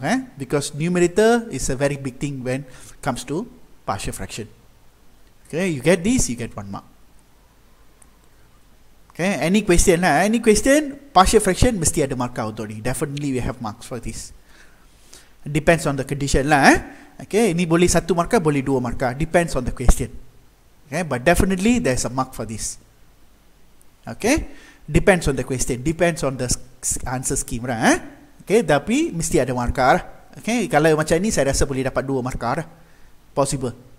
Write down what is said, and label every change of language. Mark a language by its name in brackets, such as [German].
[English] Eh, because numerator is a very big thing when comes to partial fraction. Okay, you get this, you get 1 mark. Okay, any question lah? Any question? [Malay] Partial fraction mesti ada markah untuk ni. [English] Definitely we have marks for this. Depends on the condition lah. Eh? [Malay] Okay, ini boleh satu markah, boleh dua markah. [English] Depends on the question. Okay, but definitely there's a mark for this. Okay, depends on the question. Depends on the answer scheme lah. Eh? Okay, [Malay] tapi mesti ada markah. Lah. Okay, kalau macam ni saya rasa boleh dapat dua markah. Lah. Possible.